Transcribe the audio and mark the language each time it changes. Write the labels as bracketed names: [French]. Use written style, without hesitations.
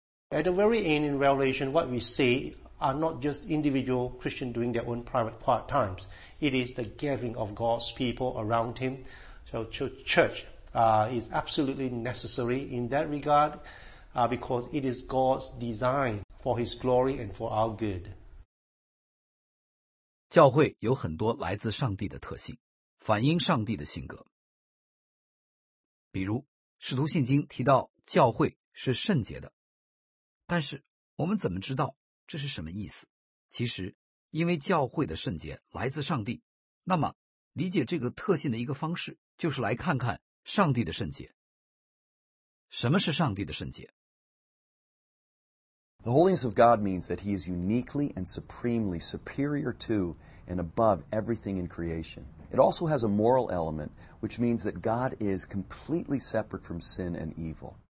[English] At the very end in Revelation, what we see are not just individual Christians doing their own private quiet times. It is the gathering of God's people around Him. So church is absolutely necessary in that regard because it is God's design for His glory and for our good. [Chinese] 教会有很多来自上帝的特性，反映上帝的性格。比如，使徒信经提到教会是圣洁的，但是我们怎么知道这是什么意思？其实，因为教会的圣洁来自上帝，那么理解这个特性的一个方式就是来看看上帝的圣洁。什么是上帝的圣洁？ [English] The holiness of God means that He is uniquely and supremely superior to and above everything in creation. It also has a moral element, which means that God is completely separate from sin and evil.